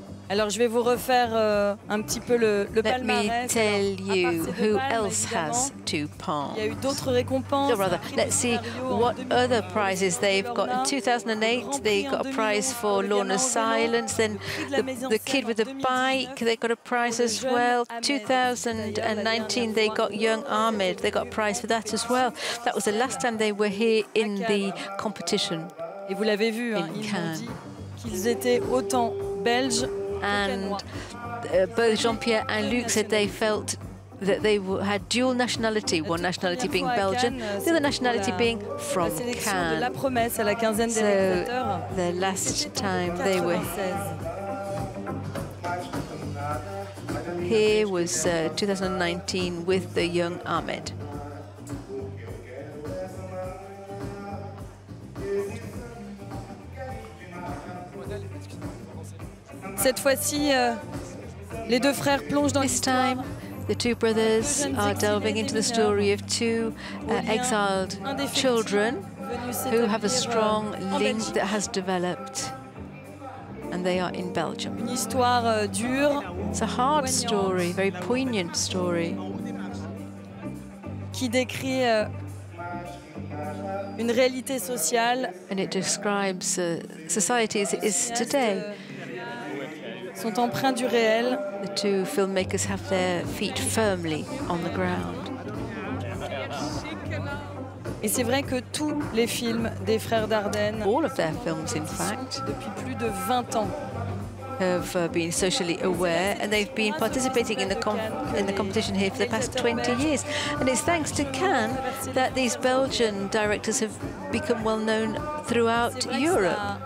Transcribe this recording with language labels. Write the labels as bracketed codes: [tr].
[fr] Alors je vais vous refaire un petit peu le palmarès. [en] Let me tell you who else has two palms. [fr] Il y a eu d'autres récompenses. [en] Let's see what other prizes they've got. In 2008, they got a prize for Lorna's Silence. Then the kid with the bike, they got a prize as well. 2019, they got Young Ahmed. They got a prize for that as well. That was the last time they were here in the competition. [fr] Et vous l'avez vu, ils ont dit qu'ils étaient autant belges. [en] And both Jean-Pierre and Luc said they felt that they had dual nationality, one nationality being Belgian, the other nationality being from Cannes. So the last time they were here was 2019 with the young Ahmed. [fr] Cette fois-ci, les deux frères plongent dans l'histoire. [en] This time, the two brothers are delving into the story of two exiled children who have a strong link that has developed, and they are in Belgium. [fr] Une histoire dure. [en] It's a hard story, very poignant story. [fr] Qui décrit une réalité sociale. [en] And it describes society as it is today. [fr] Sont empreints du réel. [en] The two filmmakers have their feet firmly on the ground. [fr] Et c'est vrai que tous les films des frères Dardenne, [en] all of their films, in fact, [fr] depuis plus de 20 ans, [en] have been socially aware, and they've been participating in the competition here for the past 20 years. And it's thanks to Cannes that these Belgian directors have become well known throughout Europe.